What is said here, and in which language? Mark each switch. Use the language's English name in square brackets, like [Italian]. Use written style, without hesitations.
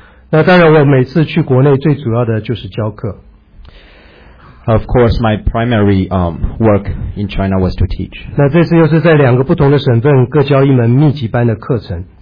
[Chinese] 那当然，我每次去国内最主要的就是教课。 [English] Of course, my primary work in China was to teach. [Chinese] 那这次又是在两个不同的省份各教一门密集班的课程。